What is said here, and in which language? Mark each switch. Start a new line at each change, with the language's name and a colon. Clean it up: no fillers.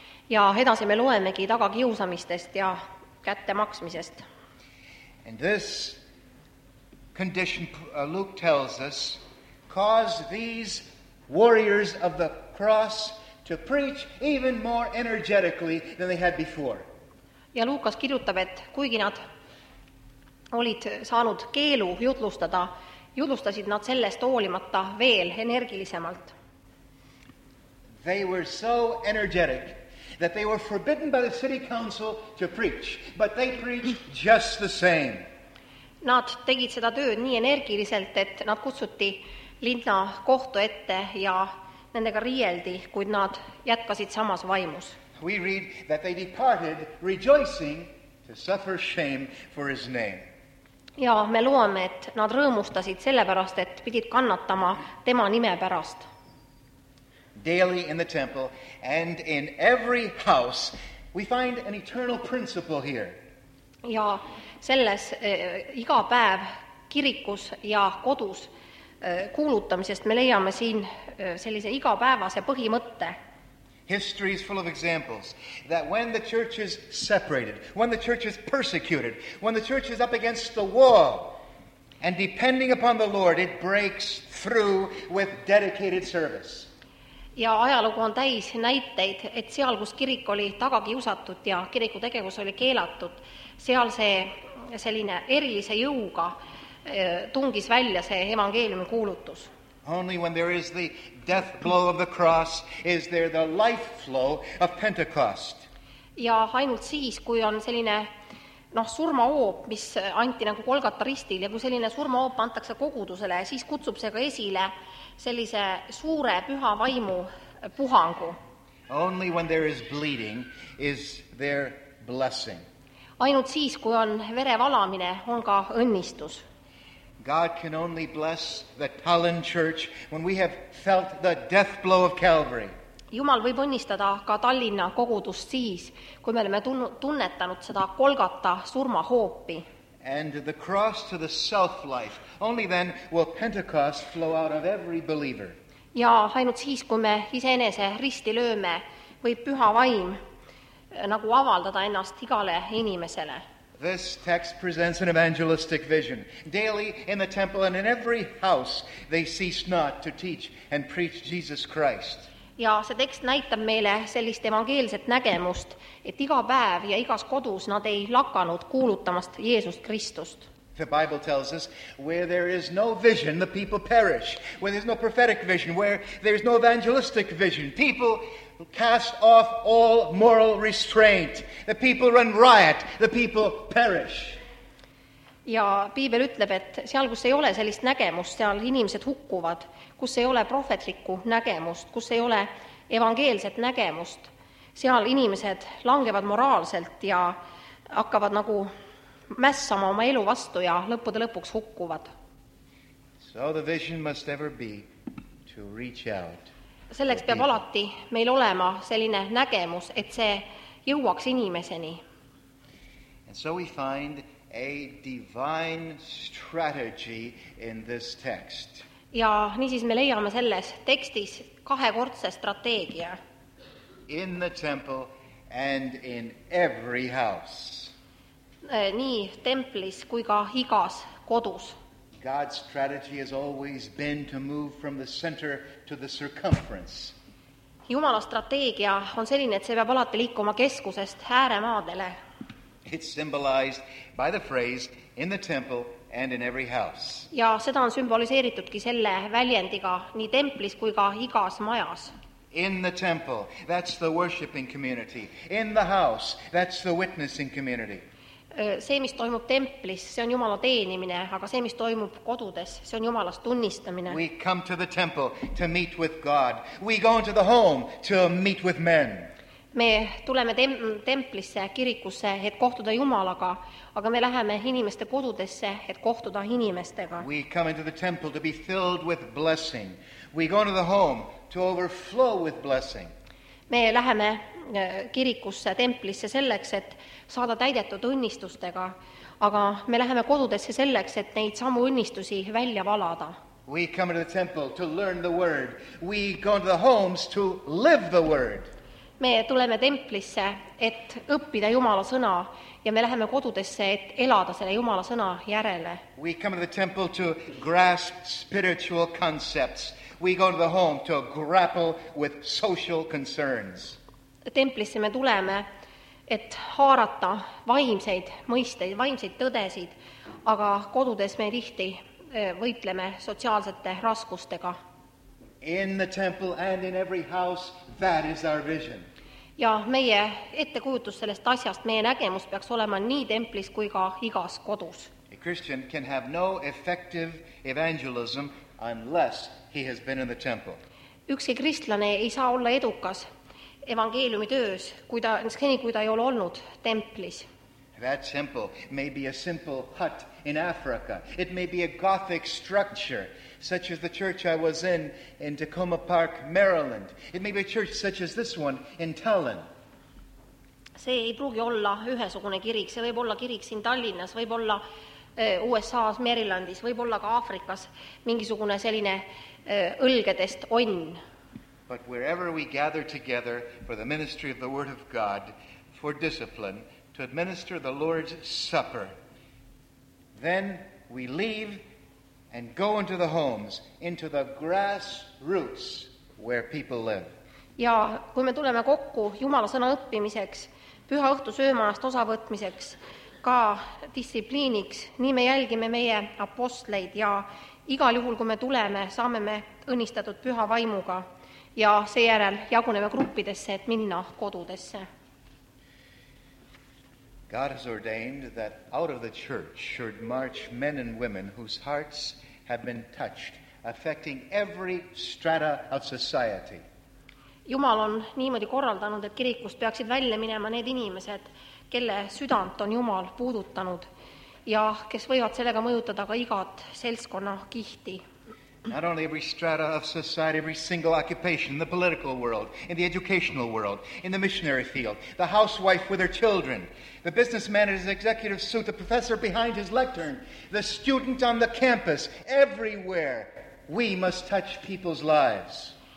Estonian: Ja edasi me loemegi taga kiusamistest ja kätte maksmisest.
English: And this condition, Luke tells us, caused these warriors of the cross to preach even more energetically than they had before.
Estonian: Ja Luukas kirjutab, et kuigi nad olid saanud keelu jutlustada, jutlustasid nad sellest hoolimata veel energilisemalt.
English: They were so energetic that they were forbidden by the city council to preach, but they preached just the same.
Estonian: Nad tegid seda tööd nii energiliselt, et nad kutsuti linna kohtu ette ja nendega riieldi, kuid nad jätkasid samas vaimus.
English: We read that they departed rejoicing to suffer shame for his name.
Estonian: Ja me loome, et nad rõõmustasid sellepärast, et pidid kannatama tema nime pärast.
English: Daily in the temple and in every house, we find an eternal principle here.
Estonian: Ja selles iga päev kirikus ja kodus kuulutamisest me leiame siin sellise igapäevase põhimõtte.
English: History is full of examples that when the church is separated, when the church is persecuted, when the church is up against the wall and depending upon the Lord, it breaks through with dedicated service.
Estonian: Ja ajalugu on täis näiteid, et seal, kus kirik oli tagagi usatud ja kiriku tegevus oli keelatud, seal see selline erilise jõuga tungis välja see evangeeliumi kuulutus.
English: Only when there is the death blow of the cross is there the life flow of Pentecost.
Estonian: Ja ainult siis, kui on selline surma oop, mis anti nagu Golgata ristil, ja kui selline surma oop antakse kogudusele, siis kutsub see ka esile sellise suure püha vaimu puhangu.
English: Only when there is bleeding is there blessing.
Estonian: Ainult siis, kui on vere valamine, on ka õnnistus.
English: God can only bless the Tallinn church when we have felt the death blow of Calvary.
Estonian: Jumal võib õnnistada ka Tallinna kogudust siis, kui me oleme tunnetanud seda Golgata surma hoopi.
English: And the cross to the self-life, only then will Pentecost flow out of every believer.
Estonian: Ja ainult siis, kui me iseenese risti lööme, võib püha vaim nagu avaldada ennast igale inimesele.
English: This text presents an evangelistic vision. Daily in the temple and in every house they ceased not to teach and preach Jesus Christ.
Estonian: Ja see tekst näitab meile sellist evangeelset nägemust, et iga päev ja igas kodus nad ei lakanud kuulutamast Jeesust Kristust.
English: The Bible tells us, where there is no vision, the people perish. Where there's no prophetic vision, where there's no evangelistic vision, people cast off all moral restraint. The people run riot, the people perish.
Estonian: Ja Piibel ütleb, et seal, kus ei ole sellist nägemust, seal inimesed hukkuvad, kus ei ole profetlikku nägemust, kus ei ole evangeelset nägemust, seal inimesed langevad moraalselt ja hakkavad nagu mässama oma elu vastu ja lõppude lõpuks hukkuvad.
English: So the vision must ever be to reach out.
Estonian: Selleks peab alati meil olema selline nägemus, et see jõuaks inimeseni.
English: And so we find a divine strategy in this text.
Estonian: Ja nii siis me leiame selles tekstis kahekordse strateegia.
English: In the temple and in every house.
Estonian: Nii templis kui ka igas kodus.
English: God's strategy has always been to move from the center to the circumference.
Estonian: Jumala strateegia on selline, et see peab alati liikuma keskusest ääremaadele.
English: It's symbolized by the phrase in the temple and in every house.
Estonian: Ja seda on sümboliseeritudki selle väljendiga nii templis kui ka igas majas.
English: In the temple, that's the worshiping community. In the house, that's the witnessing community.
Estonian: See, mis toimub templis, see on Jumala teenimine, aga see, mis toimub kodudes, see on Jumalast tunnistamine.
English: We come to the temple to meet with God. We go into the home to meet with men.
Estonian: Me tuleme templisse, kirikusse, et kohtuda Jumalaga, aga me läheme inimeste kodudesse, et kohtuda inimestega.
English: We come into the temple to be filled with blessing. We go into the home to overflow with blessing.
Estonian: Me läheme kirikusse, templisse selleks, et saada täidetud õnnistustega, aga me läheme kodudesse selleks, et neid samu õnnistusi välja valada.
English: We come into the temple to learn the word. We go into the homes to live the word.
Estonian: Me tuleme templisse, et õppida Jumala sõna ja me läheme kodudesse, et elada selle Jumala sõna järele.
English: We come to the temple to grasp spiritual concepts. We go to the home to grapple with social concerns.
Estonian: Templisse me tuleme, et haarata vaimseid mõisteid, vaimseid tõdesid, aga kodudes me tihti võitleme sotsiaalsete raskustega.
English: In the temple and in every house, that is our vision.
Estonian: Ja meie ettekujutus sellest asjast, meie nägemus peaks olema nii templis kui ka igas kodus.
English: A Christian can have no effective evangelism unless he has been in the temple.
Estonian: Ükski kristlane ei saa olla edukas evangeeliumi töös, kui ta ei ole olnud templis.
English: That temple may be a simple hut in Africa. It may be a gothic structure, such as the church I was in Tacoma Park, Maryland. It may be a church such as this one in Tallinn.
Estonian: See ei pruugi olla ühesugune kirik. See võib olla kirik siin Tallinnas, võib olla USA's, Marylandis, võib olla ka Afrikas mingisugune selline õlgedest onn.
English: But wherever we gather together for the ministry of the Word of God, for discipline, to administer the Lord's Supper, then we leave and go into the homes, into the grass roots where people live.
Estonian: Ja kui me tuleme kokku Jumala sõna õppimiseks, püha õhtu söömaast osavõtmiseks, ka distsipliiniks, nii me jälgime meie apostleid ja igal juhul, kui me tuleme, saame me õnnistatud püha vaimuga ja seejärel jaguneme gruppidesse, et minna kodudesse.
English: God has ordained that out of the church should march men and women whose hearts have been touched, affecting every strata of society.
Estonian: Jumal on niimoodi korraldanud, et kirikust peaksid välja minema need inimesed, kelle südant on Jumal puudutanud ja kes võivad sellega mõjutada ka igat seltskonna kihti.
English: Not only every strata of society, every single occupation in the political world, in the educational world, in the missionary field, the housewife with her children, the businessman in his executive suit, the professor behind his lectern, the student on the campus, everywhere we must touch people's lives.